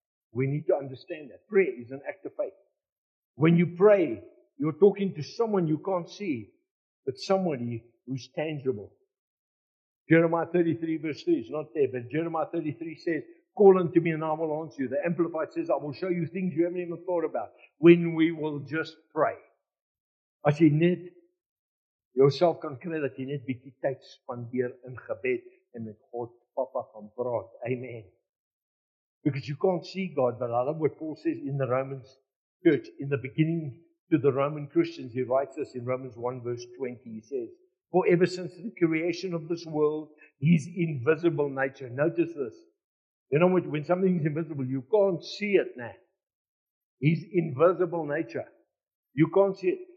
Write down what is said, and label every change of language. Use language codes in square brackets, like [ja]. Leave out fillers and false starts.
[en] We need to understand that. Prayer is an act of faith. When you pray, you're talking to someone you can't see, but somebody who's tangible. Jeremiah 33 verse 3 is not there, but Jeremiah 33 says, call unto me and I will answer you. The Amplified says, I will show you things you haven't even thought about when we will just pray. [af] As jy net jouself kan kry dat jy net bietjie tyd spandeer in gebed en met God Papa gaan praat. [en] Amen. Because you can't see God, but I love what Paul says in the Romans church. In the beginning to the Roman Christians, he writes this in Romans 1 verse 20. He says, for ever since the creation of this world, his invisible nature. Notice this. You know, when something is invisible, you can't see it now. His invisible nature. You can't see it.